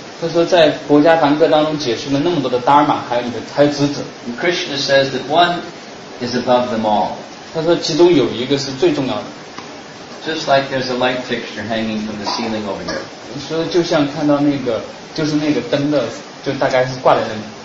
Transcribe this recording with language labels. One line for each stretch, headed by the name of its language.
Chinese: 他说在国家梵歌当中解释了那么多的 dharma 还有你的还有职责。
English: And Krishna says that one is above them all.
Chinese: 他说其中有一个是最重要的。
English: Just like there's a light fixture hanging from the ceiling over here.
Chinese: 说就像看到那个就是那个灯的就大概是挂在那里。